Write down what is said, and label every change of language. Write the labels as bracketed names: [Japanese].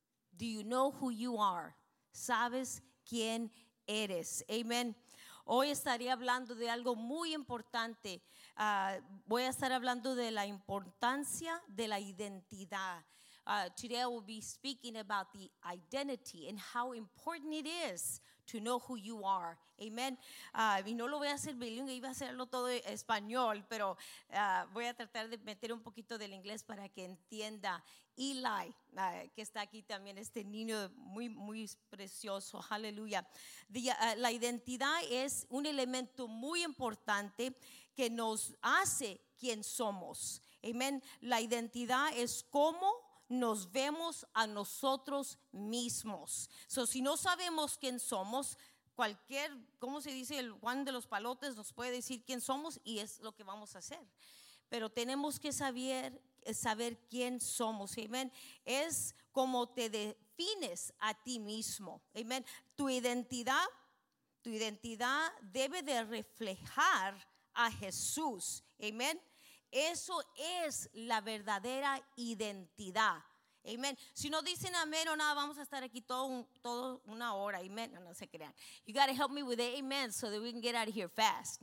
[English] Do you know who you are? [Spanish] ¿Sabes quién eres? [English] Amen. [Spanish] Hoy estaré hablando de algo muy importante. Voy a estar hablando de la importancia de la identidad. [English] Today I will be speaking about the identity and how important it is to know who you are. Amen. [Spanish] Y no lo voy a hacer bilingüe, iba a hacerlo todo en español, pero voy a tratar de meter un poquito del inglés para que entienda Eli, que está aquí también, este niño muy, muy precioso. Aleluya. La identidad es un elemento muy importante que nos hace quien somos. Amen. La identidad es cómo nos vemos a nosotros mismos. So, si no sabemos quién somos, cualquier, ¿cómo se dice? El Juan de los Palotes nos puede decir quién somos y es lo que vamos a hacer. Pero tenemos que saber quién somos. Amén. Es como te defines a ti mismo. Amén. Tu identidad debe de reflejar a Jesús. Amén. Eso es la verdadera identidad. Amen. Si no dicen amén o nada, vamos a estar aquí todo una hora. Amen. No se crean. [English] You got to help me with the amen so that we can get out of here fast.